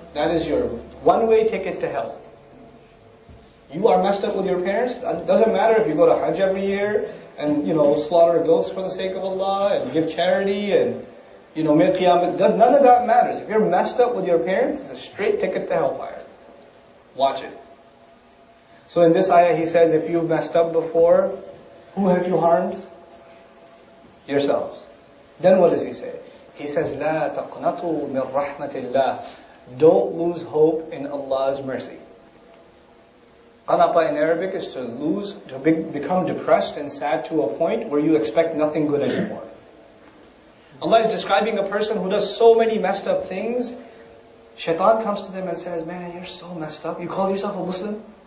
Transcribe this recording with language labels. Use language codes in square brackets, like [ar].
[en] That is your one-way ticket to hell. You are messed up with your parents, it doesn't matter if you go to Hajj every year and, you know, slaughter goats for the sake of Allah and give charity and, you know, make qiyamah. None of that matters. If you're messed up with your parents, it's a straight ticket to hellfire. Watch it. So in this ayah he says, if you've messed up before, who have you harmed? Yourselves. Then what does he say? He says, [ar] لا تقنطوا من رحمة الله. [en] Don't lose hope in Allah's mercy. Qanata in Arabic is to become depressed and sad to a point where you expect nothing good anymore. Allah is describing a person who does so many messed up things. Shaitan comes to them and says, man, you're so messed up. You call yourself a Muslim?